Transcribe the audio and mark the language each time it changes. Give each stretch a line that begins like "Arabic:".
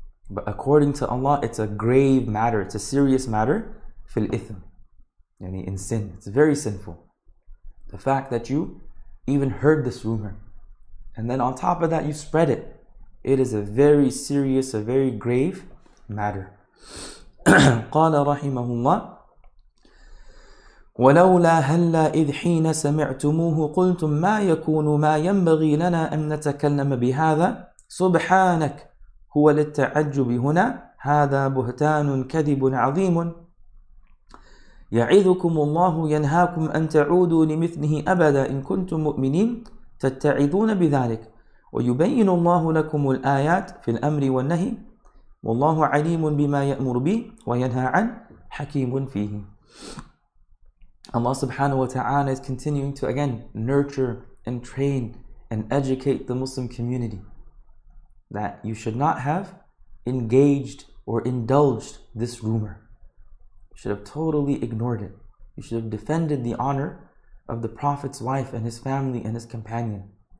English: But according to Allah, it's a grave matter. It's a serious matter.
Arabic: فِي الْإِثْمِ.
English: يعني in sin. It's very sinful. The fact that you even heard this rumor. And then on top of that, you spread it. It is a very serious, a very grave matter.
Arabic: قَالَ رَحِمَهُ اللَّهِ ولولا هلا إذ حين سمعتموه قلتم ما يكون ما ينبغي لنا أن نتكلم بهذا سبحانك هو للتعجب هنا هذا بهتان كذب عظيم يعذكم الله ينهاكم أن تعودوا لمثله أبدا إن كنتم مؤمنين تتعذون بذلك ويبين الله لكم الآيات في الأمر والنهي والله عليم بما يأمر به وينهى عنه حكيم فيه.
English: Allah subhanahu wa ta'ala is continuing to again nurture and train and educate the Muslim community that you should not have engaged or indulged this rumor. You should have totally ignored it. You should have defended the honor of the Prophet's wife and his family and his companion.